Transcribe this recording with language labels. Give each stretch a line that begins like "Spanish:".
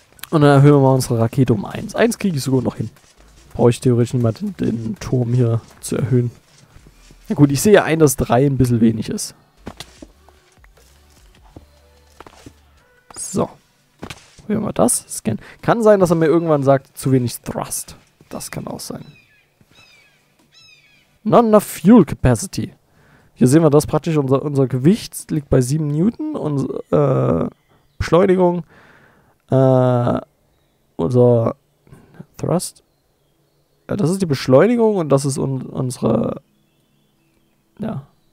German: Und dann erhöhen wir mal unsere Rakete um 1. 1 kriege ich sogar noch hin. Brauche ich theoretisch nicht mal den Turm hier zu erhöhen. Na gut, ich sehe ein, dass 3 ein bisschen wenig ist. So. Hören wir das. Scan. Kann sein, dass er mir irgendwann sagt, zu wenig Thrust. Das kann auch sein.
English: Not enough fuel capacity.
German: Hier sehen wir das praktisch. Unser Gewicht liegt bei 7 Newton. Unsere Beschleunigung. Unser Thrust. Ja, das ist die Beschleunigung und das ist unsere. Ja.